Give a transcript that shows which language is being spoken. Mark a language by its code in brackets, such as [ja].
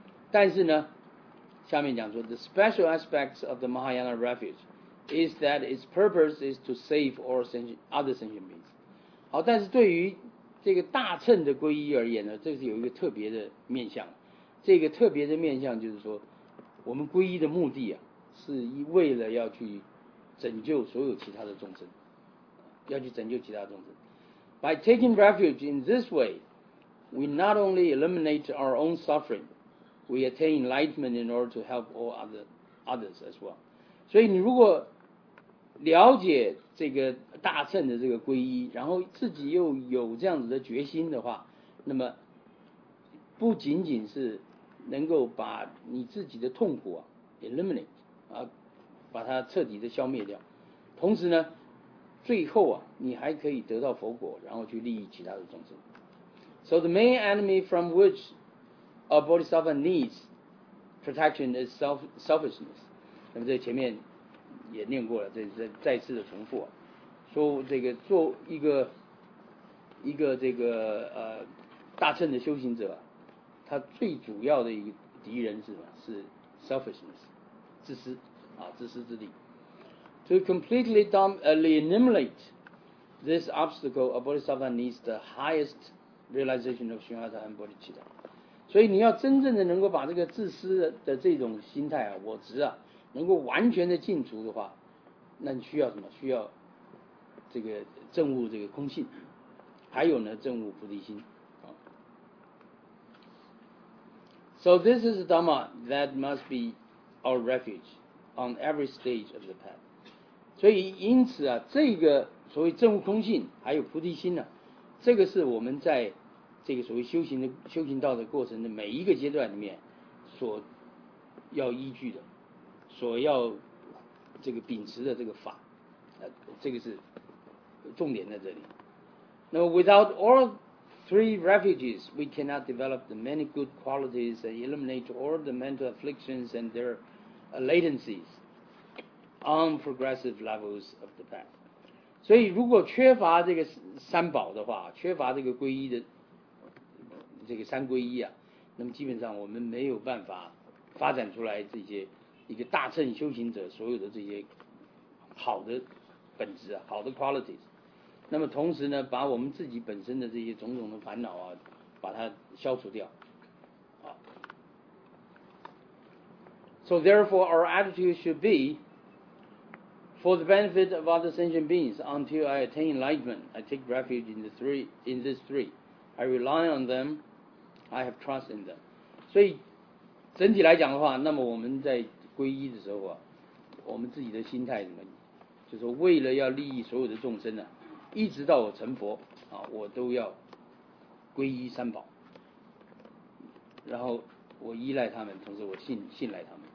[zh] 但是呢，下面讲说 [en] ，the special aspects of the Mahayana refuge is that its purpose is to save other sentient beings。 [zh] 好，但是对于这个大乘的皈依而言呢，这是有一个特别的面向。这个特别的面向就是说，我们皈依的目的啊。是为了要去拯救所有其他的众生，要去拯救其他众生。 [en] By taking refuge in this way, we not only eliminate our own suffering, we attain enlightenment in order to help all others as well. [zh] 所以你如果了解这个大乘的这个皈依，然后自己又有这样子的决心的话，那么不仅仅是能够把你自己的痛苦、啊、eliminate。啊，把它彻底的消灭掉，同时呢，最后啊，你还可以得到佛果，然后去利益其他的众生。 [en] So the main enemy from which a bodhisattva needs protection is selfishness。 [zh] 那么这前面也念过了，再次的重复啊，说这个做一个这个大乘的修行者、啊，他最主要的一个敌人是什么？是 selfishness。自私啊，自私自利。 [en] To completely eliminate this obstacle, a bodhisattva needs the highest realization of shunyata and bodhicitta。 [zh] 所以你要真正的能够把这个自私的这种心态啊，我执啊，能够完全的净除的话，那你需要什么？需要这个证悟这个空性，还有呢，证悟菩提心。 [en] So this is a dhamma that must be. Our refuge on every stage of the path。 [zh] 所以因此啊，这个所谓证悟空性还有菩提心呢、啊，这个是我们在这个所谓修行道的过程的每一个阶段里面所要依据的，所要这个秉持的这个法、这个是重点在这里。 [en] Now, without all three refuges, we cannot develop the many good qualities and eliminate all the mental afflictions and their latencies on progressive levels of the path. [zh] 所以如果缺乏这个三宝的话，缺乏这个皈依的这个三皈依啊，那么基本上我们没有办法发展出来这些一个大乘修行者所有的这些好的本质啊，好的 qualities。那么同时呢，把我们自己本身的这些种种的烦恼啊，把它消除掉。啊。 [en] So therefore, our attitude should be for the benefit of other sentient beings. Until I attain enlightenment, I take refuge in the three. In these three, I rely on them. I have trust in them. [zh] 所以整体来讲的话，那么我们在皈依的时候啊，我们自己的心态什么，就是说为了要利益所有的众生呢、啊。一直到我成佛啊，我都要皈依三宝，然后我依赖他们，同时我信赖他们。